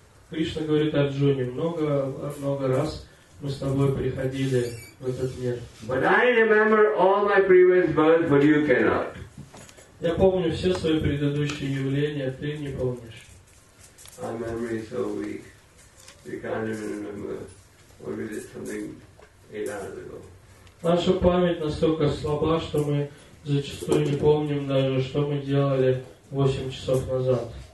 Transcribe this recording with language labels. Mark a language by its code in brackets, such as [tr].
[ru] Кришна говорит Арджуне, много раз мы с тобой приходили. [en] But I remember all my previous births, but you cannot. [ru] Я помню все свои предыдущие явления, ты не помнишь. [en] Our memory is so weak. We can't even remember when we did something 8 hours ago. [ru] Наша память настолько слаба, что мы зачастую не помним даже, что мы делали 8 часов назад.